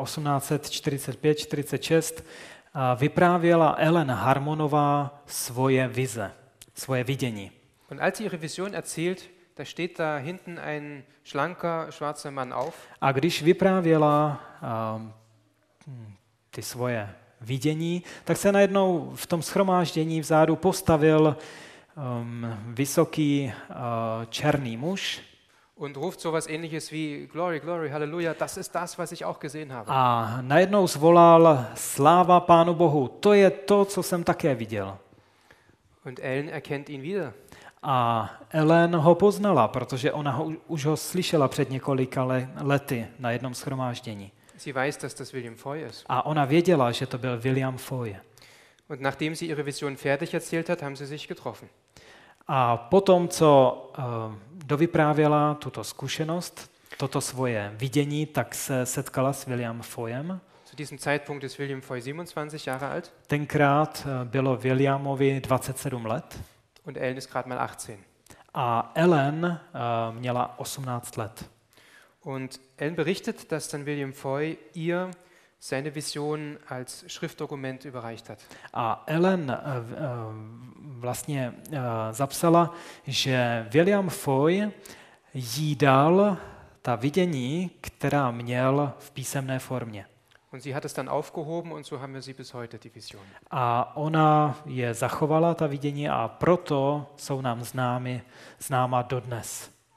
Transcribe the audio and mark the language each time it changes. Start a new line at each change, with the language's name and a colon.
Czech: Mhm. V zimě 1845-46 vyprávěla Ellen Harmonová svoje vize. Svoje vidění.
German: Und als sie ihre Vision erzählt, da steht da hinten ein schlanker schwarzer Mann auf.
Czech: A když vyprávěla ty svoje vidění, tak se najednou v tom shromáždění vzadu postavil vysoký černý muž.
German: Und ruft sowas ähnliches wie
English: Glory, Glory, Hallelujah,
German: das ist das, was ich auch gesehen habe.
Czech: A najednou zvolal sláva Pánu Bohu. To je to, co jsem také viděl.
German: Und Ellen erkennt ihn wieder.
Czech: A Ellen ho poznala, protože ona už ho slyšela před několika lety na jednom shromáždění.
German: Sie weiß, dass das William Foy ist.
Czech: A ona věděla, že to byl William Foy.
German: Und nachdem sie ihre Vision fertig erzählt hat, haben sie sich getroffen.
Czech: A potom, co dovyprávěla tuto zkušenost, toto svoje vidění, tak se setkala s William Foyem.
German: Zu diesem Zeitpunkt ist William Foy 27 Jahre alt.
Czech: Tenkrát bylo Williamovi 27 let.
German: Und Ellen ist gerade mal 18.
Czech: A Ellen měla 18 let.
German: Und Ellen berichtet, dass dann William Foy ihr seine Vision als Schriftdokument überreicht hat.
Czech: A Ellen vlastně zapsala, že William Foy jí dal ta vidění, která měl v písemné formě.
German: Und sie hat es dann aufgehoben und so haben wir sie bis heute, die Vision.
Czech: A ona je zachovala, ta vidění, a proto jsou nám známa dodnes.